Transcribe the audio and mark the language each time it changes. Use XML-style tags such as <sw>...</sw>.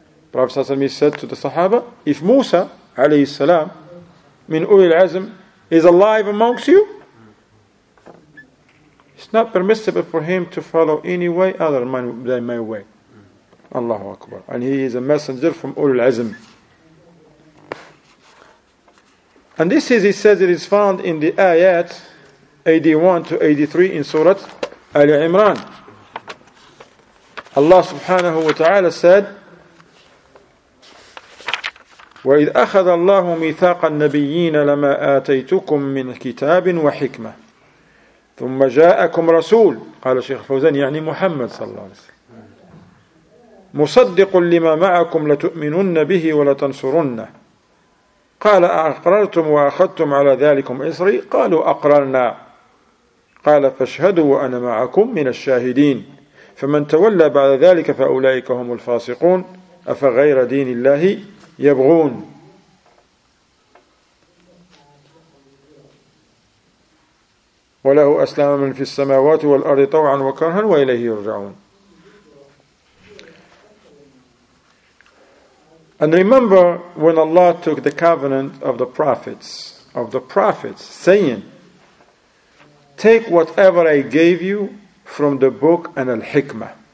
<en>Prophet sallallahu alaihi wasallam said to the Sahaba, "If Musa alayhi salam,</en> <ar>min Uli al-Azm,</ar> <en>is alive amongst you, it's not permissible for him to follow any way other than my way." Allahu Akbar. And he is a messenger from Ulul Azm. And this is, he says, it is found in the ayat 81 to 83 in Surah Ali Imran.</en> <ar>Allah subhanahu wa ta'ala said, وَإِذْ أَخَذَ اللَّهُ مِيثَاقَ النَّبِيِّينَ لَمَا آتَيْتُكُم مِّن كِتَابٍ وَحِكْمَةٍ ثم جاءكم رسول قال شيخ فوزان يعني محمد صلى الله عليه وسلم مصدق لما معكم لتؤمنن به ولتنصرنه قال أقررتم وأخذتم على ذلكم إصري قالوا أقررنا قال فاشهدوا وأنا معكم من الشاهدين فمن تولى بعد ذلك فأولئك هم الفاسقون أفغير دين الله يبغون. وله أسلم من في السماوات والأرض طوعا وكرها وإليه يرجعون.</ar> <en>And remember when Allah took the covenant of the prophets, saying, take whatever I gave you from the book and al-hikmah.</en>